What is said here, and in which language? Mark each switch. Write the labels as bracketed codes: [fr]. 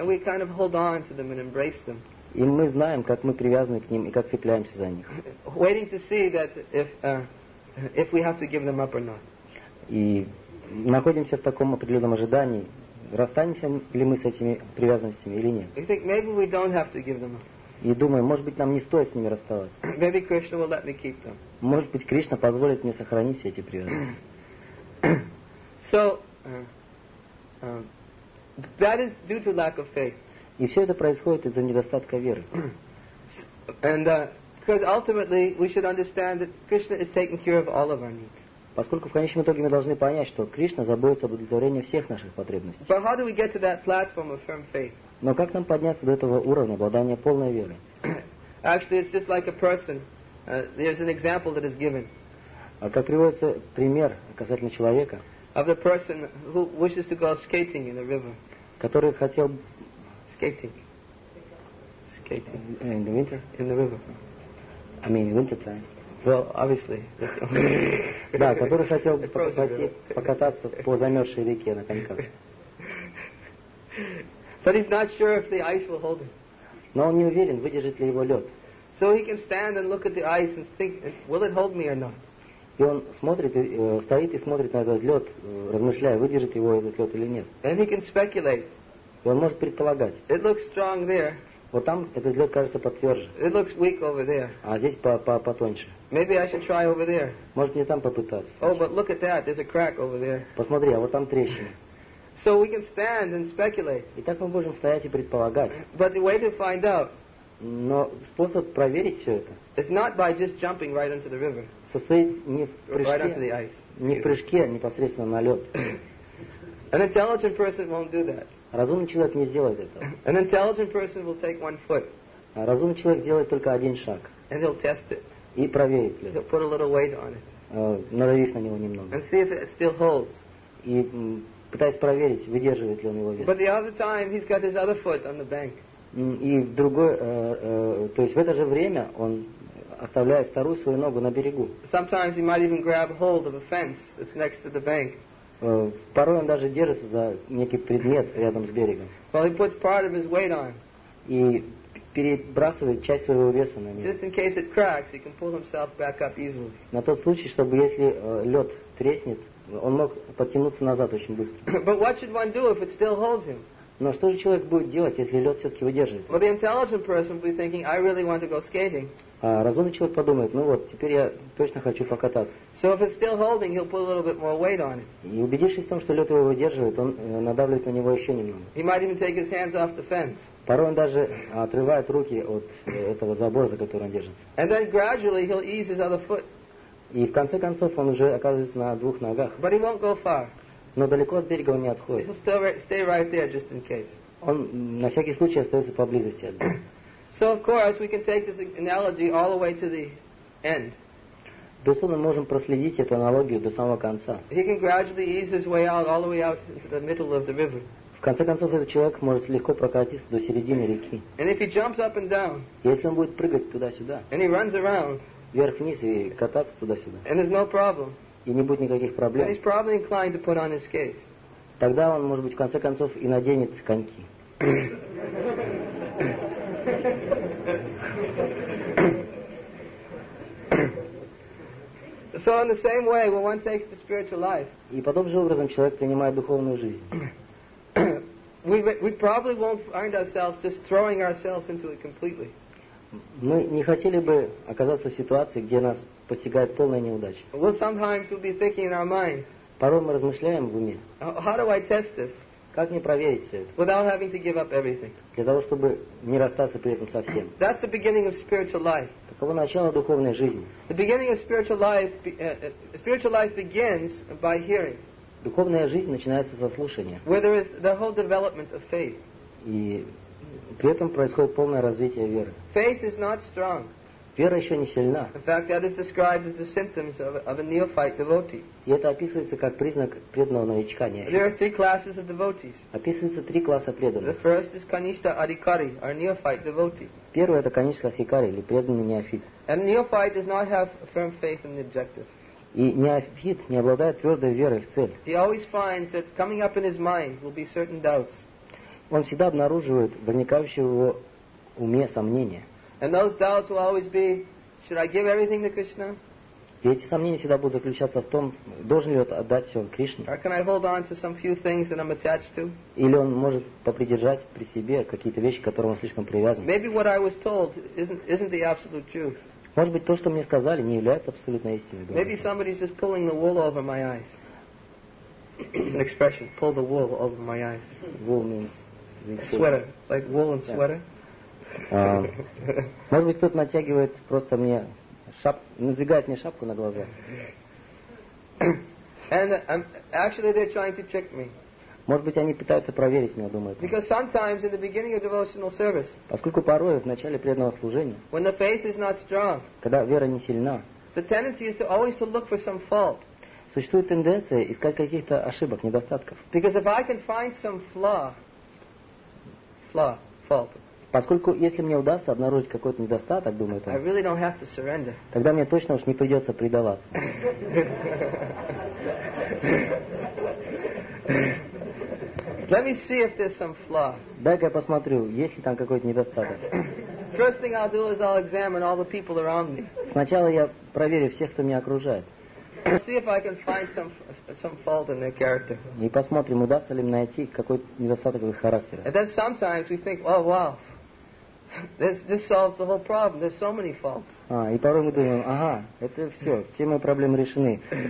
[en] And we kind of hold on to them and embrace them. [ru] И мы знаем, как мы привязаны к ним и как цепляемся за них. [en] Waiting to see that if we have to give them up or not. [ru] И находимся в таком определенном ожидании, расстанемся ли мы с этими привязанностями или нет. [en] We think maybe we don't have to give them up. [ru] И думаю, может быть, нам не стоит с ними расставаться. [en] Maybe Krishna will let me keep them. [ru] Может быть, Кришна позволит мне сохранить все эти привязанности. [en] So that is due to lack of faith. [ru] И все это происходит из-за недостатка веры. [en] And because ultimately we should understand that Krishna is taking care of all of our needs. [ru] Поскольку в конечном итоге мы должны понять, что Кришна заботится об удовлетворении всех наших потребностей. [en] So how do we get to that platform of firm faith? [ru] Но как нам подняться до этого уровня обладания полной верой? [en] Actually, it's just like a person. There's an example that is given. [ru] А как приводится пример касательно человека? [en] Of the person who wishes to go skating in the river. [ru] Который хотел [en] skating in the winter in the river. I mean, in winter time. Well, obviously. [ru] Да, который хотел покататься по замерзшей реке на коньках. [en] But he's not sure if the ice will hold him. [ru] Но он не уверен, выдержит ли его лед. [en] So he can stand and look at the ice and think, will it hold me or not? [ru] И он смотрит, стоит и смотрит на этот лед, размышляя, выдержит его этот лед или нет. [en] And he can speculate. [ru] И он может предполагать. [en] It looks strong there. [ru] Вот там этот лед кажется потверже. [en] It looks weak over there. [ru] А здесь потоньше. [en] Maybe I should try over there. [ru] Может мне там попытаться. [en] Oh, but look at that, there's a crack over there. [ru] Посмотри, а вот там трещина. [en] So we can stand and speculate. [ru] И так мы можем стоять и предполагать. [en] But the way to find out. [ru] Но способ проверить все это. [en] Is not by just jumping right into the river. [ru] Состоит не в прыжке. [en] Right onto the ice. [ru] Не в прыжке, а непосредственно на лед. [en] An intelligent person won't do that. [ru] Разумный человек не сделает этого. [en] An intelligent person will take one foot. [ru] Разумный человек сделает только один шаг. [en] And he'll test it. [ru] И проверит лед. [en] He'll put a little weight on it. [ru] Надавив на него немного. [en] And see if it still holds. [ru] И пытаясь проверить, выдерживает ли он его вес. [en] But the other time he's got his other foot on the bank. [ru] И в другой, то есть в это же время он оставляет вторую свою ногу на берегу. [en] Sometimes he might even grab hold of a fence that's next to the bank. [ru] Порой он даже держится за некий предмет рядом с берегом. [en] Well, he puts part of his weight on. [ru] И перебрасывает часть своего веса на него. [en] Just in case it cracks, he can pull himself back up easily. [ru] На тот случай, чтобы если лед треснет, он мог подтянуться назад очень быстро. [en] But what should one do if it still holds him? [ru] Но что же человек будет делать, если лед все-таки выдерживает? [en] Well, the intelligent person will be thinking, I really want to go skating. [ru] А разумный человек подумает, ну вот, теперь я точно хочу покататься. [en] So if it's still holding, he'll put a little bit more weight on it. [ru] И убедившись в том, что лед его выдерживает, он надавливает на него еще немного. [en] He might even take his hands off the fence. [ru] Порой он даже отрывает руки от этого забора, за который он держится. [en] And then gradually he'll ease his other foot. [ru] И в конце концов он уже оказывается на двух ногах. [en] But he won't go far. [ru] Но далеко от берега он не отходит. [en] He'll still stay right there, just in case. [ru] Он на всякий случай остается поблизости от берега. [en] So of course we can take this analogy all the way to the end. [ru] Безусловно, мы можем проследить эту аналогию до самого конца. [en] He can gradually ease his way out all the way out into the middle of the river. [ru] В конце концов, этот человек может легко прокатиться до середины реки. [en] And if he jumps up and down. [ru] Если он будет прыгать туда-сюда. [en] And he runs around. [ru] Вверх-вниз и кататься туда-сюда. [en] And there's no problem. [ru] И не будет никаких проблем. [en] He's probably inclined to put on his skates. [ru] Тогда он, может быть, в конце концов и наденет коньки. [en] So in the same way, when one takes the spiritual life. [ru] И подобным же образом человек принимает духовную жизнь. [en] We probably won't find ourselves just throwing ourselves into it completely. [ru] Мы не хотели бы оказаться в ситуации, где нас постигает полная неудача. [en] Well, sometimes we'll be thinking in our mind. [ru] Порой мы размышляем в уме. [en] How do I test this? [ru] Как мне проверить все это? [en] Without having to give up everything. [ru] Для того, чтобы не расстаться при этом совсем. [en] That's the beginning of spiritual life. [ru] Таково начало духовной жизни. [en] The beginning of spiritual life begins by hearing. [ru] Духовная жизнь начинается со слушания. [en] Where there is the whole development of faith. [ru] И при этом происходит полное развитие веры. [en] Faith is not strong. [ru] Вера еще не сильна. [en] In fact, that is described as the symptoms of a neophyte devotee. [ru] И это описывается как признак преданного новичка. Неофита. [en] There are three classes of devotees. [ru] Описывается три класса преданных. [en] The first is Kanishta Adhikari, or neophyte devotee. [ru] Первый это Kanishta Adhikari, или преданный неофит. [en] And neophyte does not have firm faith in the objective. [ru] И неофит не обладает твердой верой в цель. [en] He always finds that coming up in his mind will be certain doubts. [ru] Он всегда обнаруживает возникающие в его уме сомнения. [en] And those doubts will always be, should I give everything to Krishna? [ru] И эти сомнения всегда будут заключаться в том, должен ли он отдать все Кришне? [en] Or can I hold on to some few things that I'm attached to? [ru] Или он может попридержать при себе какие-то вещи, к которым он слишком привязан? [en] Maybe what I was told isn't the absolute truth. [ru] Может быть, то, что мне сказали, не является абсолютной истиной. [en] Maybe somebody's just pulling the wool over my eyes. It's an expression. Pull the wool over my eyes. Wool means sweater, like wool and sweater. Yeah. [ru] Может быть, кто-то натягивает просто мне надвигает мне шапку на глаза. [en] And actually, they're trying to trick me. [ru] Может быть, они пытаются проверить меня, думают. [en] Because sometimes in the beginning of devotional service. [ru] Поскольку порой в начале преданного служения. [en] When the faith is not strong. [ru] Когда вера не сильна. [en] The tendency is to always to look for some fault. [ru] Существует тенденция искать каких-то ошибок, недостатков. [en] Because if I can find some flaw, fault. [ru] Поскольку если мне удастся обнаружить какой-то недостаток, думает он, [en] I really don't have to surrender. [ru] Тогда мне точно уж не придется предаваться. [en] Let me see if there's some flaw. [ru] Дай-ка я посмотрю, есть ли там какой-то недостаток. [en] First thing I'll do is I'll examine all the people around me. [ru] Сначала я проверю всех, кто меня окружает. [en] See if I can find some fault in their character. [ru] И посмотрим, удастся ли мне найти какой-то недостаток в их характере. [en] And then sometimes we think, oh wow. This solves the whole problem. There's so many faults. [ru] А, и порой мы думаем, ага, это все, все мои проблемы решены.